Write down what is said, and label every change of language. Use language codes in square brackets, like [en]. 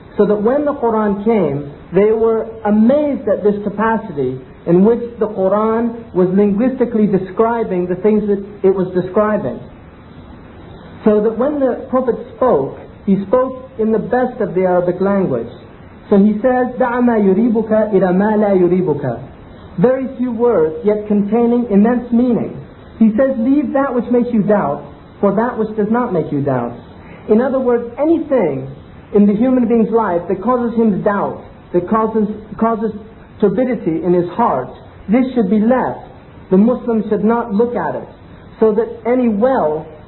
[en] So that when the Quran came, they were amazed at this capacity in which the Quran was linguistically describing the things that it was describing. So that when the Prophet spoke, he spoke in the best of the Arabic language. So he says, [ar] دَعَ مَا يُرِيبُكَ إِلَى مَا لَا يُرِيبُكَ. [en] Very few words, yet containing immense meaning. He says, leave that which makes you doubt for that which does not make you doubt. In other words, anything in the human being's life that causes him doubt, that causes turbidity in his heart, this should be left. The Muslim should not look at it. So that any wealth